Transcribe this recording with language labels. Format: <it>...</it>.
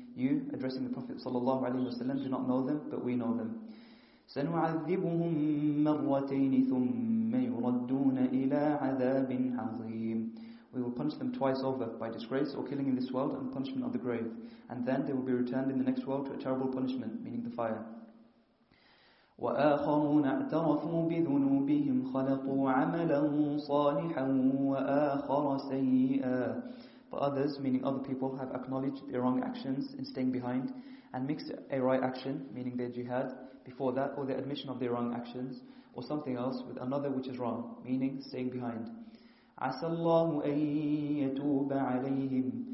<en>You, addressing the Prophet sallallahu alaihi wasallam, do not know them, but we know them.</en> <ar>سَنُعَذِّبُهُمْ مَرَّتَيْنِ ثُمَّ يُرَدُّونَ إِلَىٰ عَذَابٍ عَظِيمٍ.</ar> <en>We will punish them twice over, by disgrace or killing in this world and punishment of the grave. And then they will be returned in the next world to a terrible punishment, meaning the fire.</en> <ar>وآخرون اعترفوا بذنوبهم خلطوا عملا صالحا وآخر سيئا.</ar> <en>But others, meaning other people, have acknowledged their wrong actions in staying behind and mixed a right action, meaning their jihad, before that, or the admission of their wrong actions, or something else with another which is wrong, meaning staying behind.</en> <ar>عَسَى اللَّهُ أَن يَتُوبَ عَلَيْهِمْ.</ar>